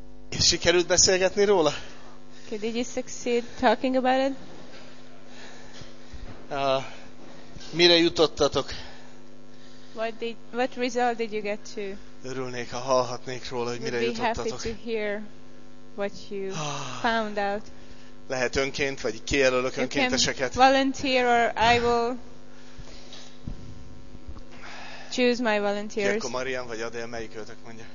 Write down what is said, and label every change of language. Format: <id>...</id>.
<hu>És sikerült beszélgetni róla?</hu> <en>Okay, did you succeed talking about it?</en> <hu>Mire jutottatok?</hu> <en>What result did you get to?</en> <hu>Örülnék, ha hallhatnék róla, hogy mire jutottatok.</hu> <en>Would be happy to hear what you found out.</en> <hu>Lehet önként, vagy kijelölök önkénteseket.</hu> <en>Volunteer, or I will choose my volunteers.</en> <hu>Kérkó Marian vagy Adél, melyik őtök mondja?</hu>